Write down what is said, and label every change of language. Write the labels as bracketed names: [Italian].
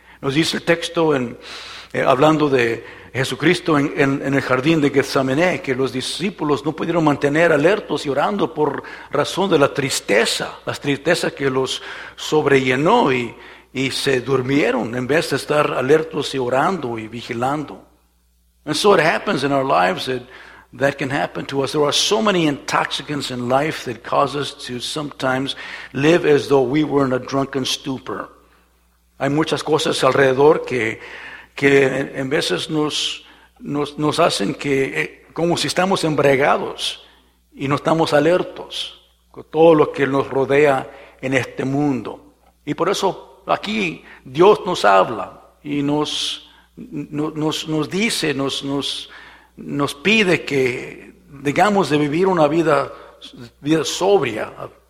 [Spanish] Nos dice el texto en hablando de Jesucristo en el jardín de Getsemaní, que los discípulos no pudieron mantener alertos y orando por razón de la tristeza, las tristezas que los sobrellenó y se durmieron en vez de estar alertos y orando y vigilando. [English] And so it happens in our lives that can happen to us. There are so many intoxicants in life that cause us to sometimes live as though we were in a drunken stupor. [Spanish] Hay muchas cosas alrededor que en veces nos hacen que como si estamos embriagados y no estamos alertos con todo lo que nos rodea en este mundo. Y por eso aquí Dios nos habla y nos pide que digamos de vivir una vida sobria.